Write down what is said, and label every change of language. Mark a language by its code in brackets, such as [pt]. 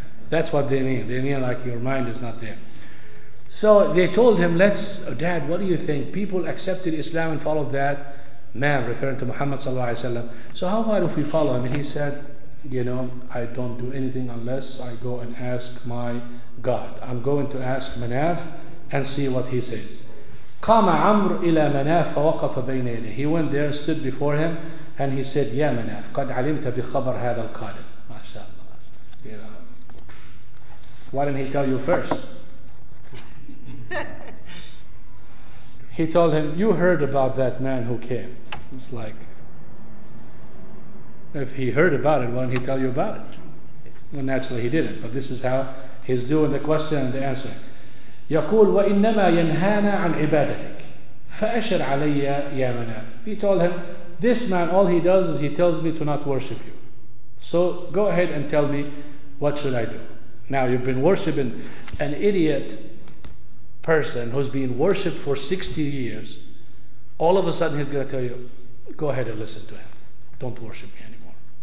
[en] That's what they mean. They mean like your mind is not there. So they told him, "Dad, what do you think? People accepted Islam and followed that man," referring to Muhammad sallallahu alaihi wasallam. "So how about if we follow him?" And he said, "You know, I don't do anything unless I go and ask my God. I'm going to ask Manaf and see what he says." [ar] قام عمرو إلى مناف فوقف بين يديه. [en] He went there, stood before him, and he said, "Ya Manaf, [ar] قد علمت بخبر هذا القادم." [en] MashaAllah. Why didn't he tell you first? He told him, "You heard about that man who came." It's like, if he heard about it, why didn't he tell you about it? Well, naturally he didn't. But this is how he's doing the question and the answer. [ar] يقول وإنما ينهانا عن عبادتك فأشر علي يا مناف. [en] He told him, "This man, all he does is he tells me to not worship you. So go ahead and tell me, what should I do?" Now you've been worshiping an idiot person who's been worshipped for 60 years. All of a sudden he's going to tell you, "Go ahead and listen to him. Don't worship me anymore."